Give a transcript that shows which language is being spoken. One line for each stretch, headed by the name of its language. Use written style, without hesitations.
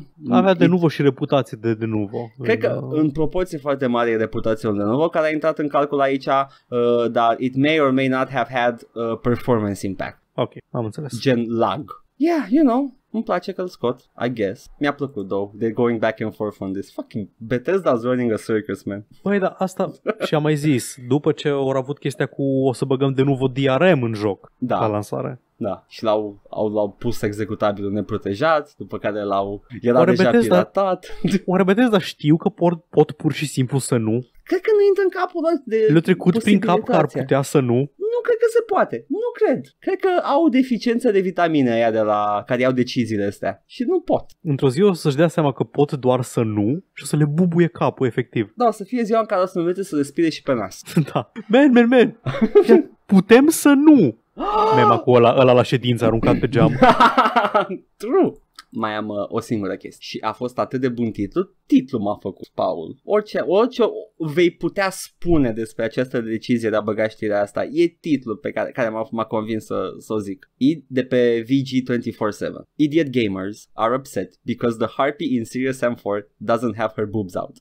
Romanian: Avea Denuvo și reputație de Denuvo. Cred că în proporție foarte mare e reputația de Denuvo care a intrat în calcul aici, dar
English: it may or may not have had performance impact.
Romanian: Ok, am înțeles.
English: Gen lag. Yeah, you know.
Romanian: îmi place că-l scot,
English: I guess.
Romanian: Mi-a plăcut,
English: though, they're going back and forth on this. Fucking Bethesda's running a circus, man.
Romanian: Băi, dar asta și-a mai zis, după ce au avut chestia cu o să băgăm de nuvo DRM în joc, da, la lansare. Da, și l-au pus executabilul neprotejat, după care l-au, era oare deja Bethesda, piratat. Oare Bethesda știu că pot pur și simplu să nu? Cred că nu intră în capul ăla de. Le-a trecut prin cap că ar putea să nu? Nu cred că se poate, nu cred. Cred că au deficiență de vitamine aia de la care iau deciziile astea și nu pot. Într-o zi o să-și dea seama că pot doar să nu și o să le bubuie capul, efectiv. Da, o să fie ziua în care o să învețe să respire și pe nas. Da. Man, putem să nu. Mema cu ăla la ședință aruncat pe geam.
English: True.
Romanian: Mai am o singură chestie și a fost atât de bun titlu m-a făcut, Paul. Orice vei putea spune despre această decizie de a băga știrea asta, e titlul pe care m-a convins să o zic. De pe VG247.
English: Idiot gamers are upset because the harpy in Serious M4 doesn't have her boobs out.